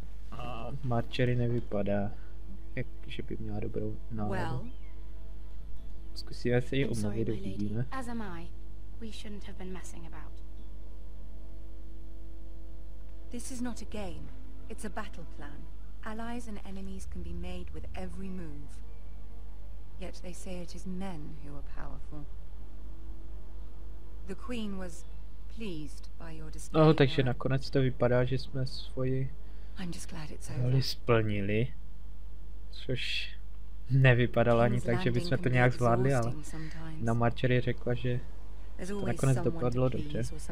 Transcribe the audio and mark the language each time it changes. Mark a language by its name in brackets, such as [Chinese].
[Czech] A Marchery nevypadá, jak, že by měla dobrou náladu. Zkusíme se jí omluvit, uvidíme. [English] This is not a game, it's a battle plan. Allies and enemies can be made with every move. Yet they say it is men who are powerful. The queen was pleased by your display. [Czech] Oh, takže nakonec to vypadá, že jsme svoji roli splnili. Což nevypadalo ani tak, že bychom to nějak zvládli, ale na Marchery řekla, že to nakonec dopadlo dobře.